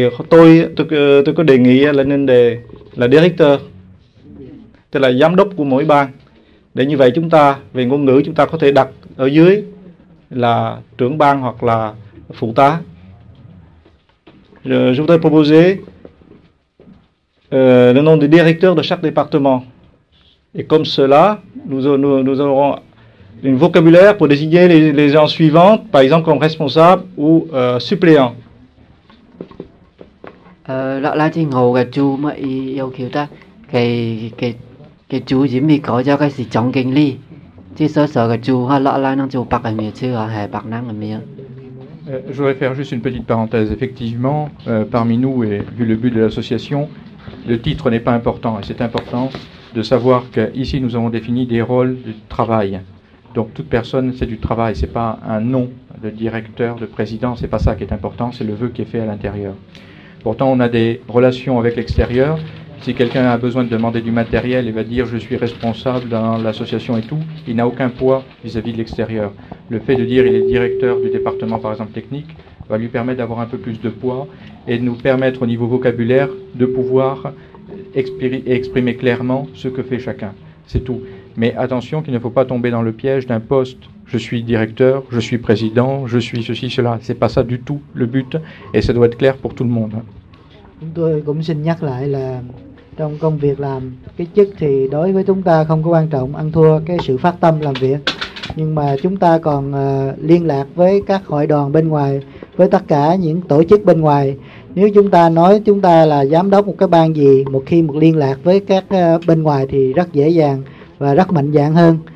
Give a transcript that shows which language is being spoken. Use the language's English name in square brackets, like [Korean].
[Vietnamese] Tôi có đề nghị là nên đề là director, tức là giám đốc của mỗi bang, để như vậy chúng ta về ngôn ngữ chúng ta có thể đặt ở dưới là trưởng bang hoặc là phụ tá. [French] Je voudrais proposer le nom de directeur de chaque département, et comme cela nous aurons un vocabulaire pour désigner les gens suivants, par exemple comme responsable ou suppléant. Lại là chị ngồi cái chú mà yêu kiểu ta cái chú chỉ mới có cho cái gì trọng kinh lý chứ sợ sợ cái chú hay lại là năng chú bạc cái miếng chứ hay bạc năng cái miếng. Je voudrais faire juste une petite parenthèse. Effectivement, parmi nous et vu le but de l'association, le titre n'est pas important et c'est important de savoir que ici nous avons défini des rôles de travail. Donc toute personne c'est du travail, c'est pas un nom de directeur, de président, c'est pas ça qui est important, c'est le vœu qui est fait à l'intérieur. Pourtant, on a des relations avec l'extérieur. Si quelqu'un a besoin de demander du matériel et va dire « je suis responsable dans l'association et tout », il n'a aucun poids vis-à-vis de l'extérieur. Le fait de dire « il est directeur du département, par exemple, technique » va lui permettre d'avoir un peu plus de poids et de nous permettre, au niveau vocabulaire, de pouvoir exprimer clairement ce que fait chacun. C'est tout. Mais attention qu'il ne faut pas tomber dans le piège d'un poste. Je suis directeur, je suis président, je suis ceci, cela. C'est pas ça du tout le but, et ça doit être clair pour tout le monde. [Vietnamese] Tôi cũng xin nhắc lại là trong công việc làm cái chức thì đối với chúng ta không có quan trọng ăn thua cái sự phát tâm làm việc, nhưng mà chúng ta còn liên lạc với các hội đoàn bên ngoài, với tất cả những tổ chức bên ngoài. Nếu chúng ta nói chúng ta là giám đốc một cái ban gì, một khi một liên lạc với các bên ngoài thì rất dễ dàng và rất mạnh dạn hơn.